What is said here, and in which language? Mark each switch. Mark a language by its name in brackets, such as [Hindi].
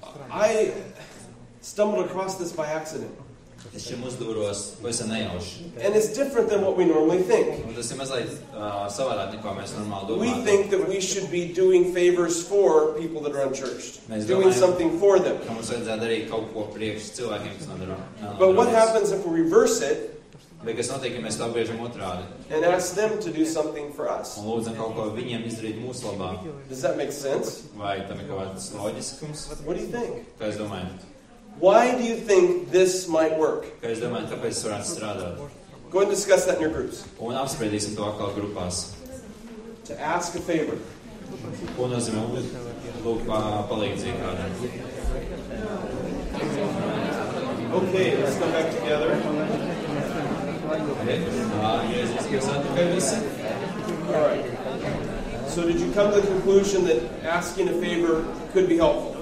[English] I stumbled across this by accident. [Latvian] Es šim uzdūros, ko esam nejauši. [English] And it's different than what we normally think. [Latvian] Un tas ir mazliet savārāk, nekā mēs normāli domājam. [English] We think that we should be doing favors for people that are unchurched. Doing something for them. [Latvian] Ka mums vajadzētu darīt kaut ko priekš cilvēkiem, kas nav. [English] But what happens if we reverse it? [Latvian] Bet kas notiek, ja mēs to apgriežam otrādi? [English] And ask them to do something for us. [Latvian] Un lūdzam kaut ko viņiem izdarīt mūsu labā. [English] Does that make sense? [Latvian] Vai tam ir kaut kāds loģiskums? [English] What do you think? [Latvian] Kā jūs domājat? [English] Why do you think this might work? Go and discuss that in your groups. [Latvian] Un apspriedīsim to atkal grupās. [English] To ask a favor. [Latvian] Ko nozīmē lūk palīdzību kādam. [English] Okay, let's come back together. All right. So did you come to the conclusion that asking a favor could be helpful?